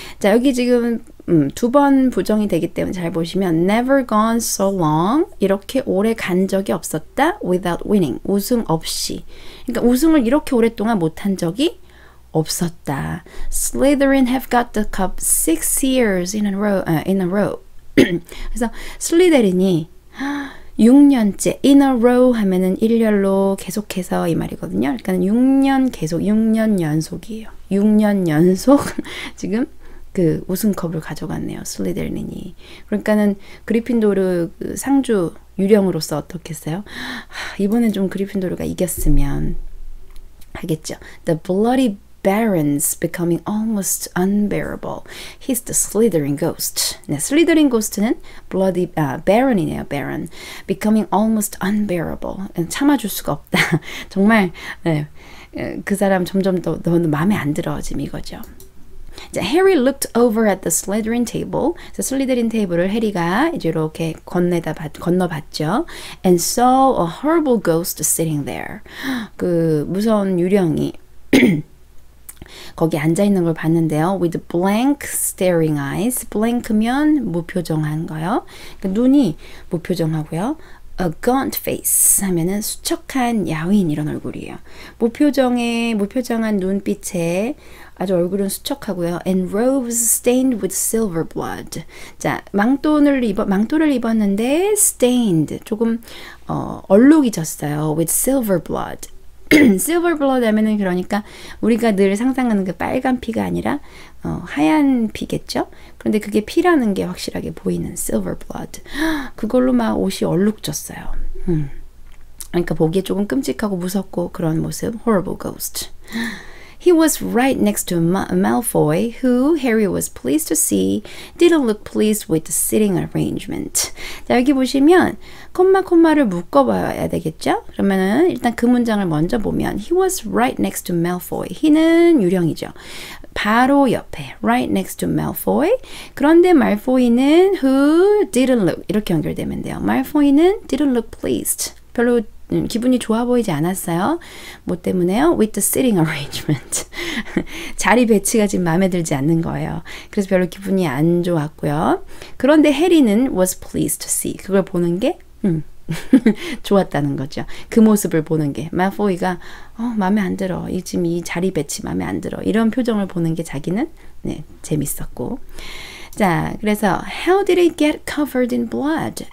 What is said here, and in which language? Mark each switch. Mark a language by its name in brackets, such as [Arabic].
[Korean] 자, 여기 지금 두 번 부정이 되기 때문에 잘 보시면 [English] never gone so long [Korean] 이렇게 오래 간 적이 없었다 [English] without winning [Korean] 우승 없이 그러니까 우승을 이렇게 오랫동안 못한 적이 없었다. [English] Slytherin have got the cup 6 years in a row. In a row. [Korean] 그래서 슬리데린이 6년째 in a row 하면은 일렬로 계속해서 이 말이거든요. 그러니까 6년 계속 6년 연속이에요. 6년 연속 지금 그 우승컵을 가져갔네요. 슬리데린이. 그러니까는 그리핀도르 상주 유령으로서 어떻겠어요? 이번엔 좀 그리핀도르가 이겼으면 하겠죠. [English] The bloody Baron's becoming almost unbearable. He's the Slytherin ghost. 네, Slytherin ghost는 bloody Baron이네요. Baron becoming almost unbearable. [Korean] 참아줄 수가 없다. 정말 네, 그 사람 점점 더 마음에 안 들어 지금 이거죠. [English] 자, Harry looked over at the Slytherin table. [Korean] 자, 슬리데린 테이블을 해리가 이제 이렇게 건너봤죠. [English] And saw a horrible ghost sitting there. [Korean] 그 무서운 유령이 거기 앉아있는 걸 봤는데요. [English] With blank staring eyes. Blank면 [Korean] 무표정한 거요. 그러니까 눈이 무표정하고요. [English] A gaunt face [Korean] 하면은 수척한 야윈 이런 얼굴이에요. 무표정한 눈빛에 아주 얼굴은 수척하고요. [English] And robes stained with silver blood. [Korean] 자, 망토를 입었는데 stained, 조금 얼룩이 졌어요. [English] With silver blood. [Korean] Silver blood 하면은 그러니까 우리가 늘 상상하는 그 빨간 피가 아니라 하얀 피겠죠? 그런데 그게 피라는 게 확실하게 보이는 silver blood. 그걸로 막 옷이 얼룩졌어요. 그러니까 보기에 조금 끔찍하고 무섭고 그런 모습. [English] Horrible ghost. He was right next to Malfoy, who Harry was pleased to see, didn't look pleased with the sitting arrangement. [Korean] 자, 여기 보시면 콤마 콤마를 묶어봐야 되겠죠? 그러면은 일단 그 문장을 먼저 보면 [English] He was right next to Malfoy. [Korean] He는 유령이죠. 바로 옆에 [English] right next to Malfoy. [Korean] 그런데 말포이는 [English] who didn't look [Korean] 이렇게 연결되면 돼요. 말포이는 [English] didn't look pleased. [Korean] 별로 기분이 좋아 보이지 않았어요. 뭐 때문에요? [English] With the sitting arrangement. [Korean] 자리 배치가 지금 마음에 들지 않는 거예요. 그래서 별로 기분이 안 좋았고요. 그런데 해리는 [English] was pleased to see. [Korean] 그걸 보는 게 좋았다는 거죠. 그 모습을 보는 게. 마포이가 마음에 안 들어. 지금 이 자리 배치 마음에 안 들어. 이런 표정을 보는 게 자기는 네 재밌었고. 자, 그래서 [English] How did it get covered in blood?